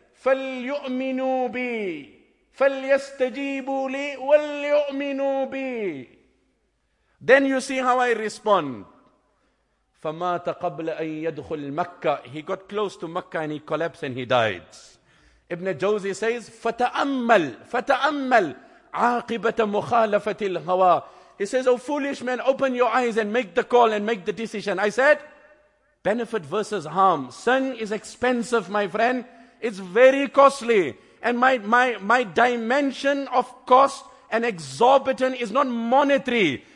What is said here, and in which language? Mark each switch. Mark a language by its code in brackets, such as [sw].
[ar] فَلْيُؤْمِنُوا بِي فَلْيَسْتَجِيبُوا لِي وَلْيُؤْمِنُوا بِي. [en] Then you see how I respond. [ar] فَمَاتَ قَبْلَ أَن يَدْخُلْ مَكَّةِ. [en] He got close to Mecca and he collapsed and he died. Ibn Jawzi says, [ar] فَتَأَمَّلْ فَتَأَمَّلْ عَاقِبَةَ مُخَالَفَةِ الْهَوَى. [en] He says, oh foolish man, open your eyes and make the call and make the decision. I said, benefit versus harm. Sin is expensive, my friend. It's very costly. And my dimension of cost and exorbitant is not monetary.